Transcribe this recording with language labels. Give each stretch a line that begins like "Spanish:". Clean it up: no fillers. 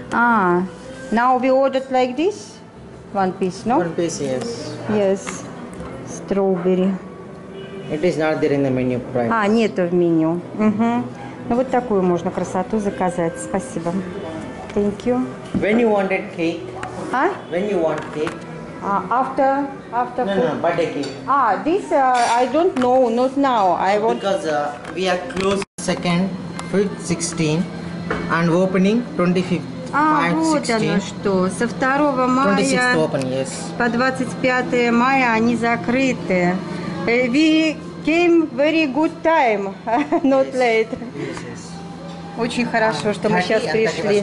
English: Ah, now we ordered like this? One piece, no? One piece, yes. Yes, strawberry. It is not there in the menu price.
Russian: А, нету в меню. Угу. Ну вот такую можно красоту заказать. Спасибо.
English: Thank you. When you wanted cake? А? When you want cake? After no, food? No, birthday cake. Ah, this I don't know, not now. I want. Because we are closed 2nd, 5th, 16th and opening 25th.
Russian: А, вот оно что, со 2 мая по 25 мая они закрыты.
English: We came very good time, not late.
Russian: Очень хорошо, что мы сейчас пришли.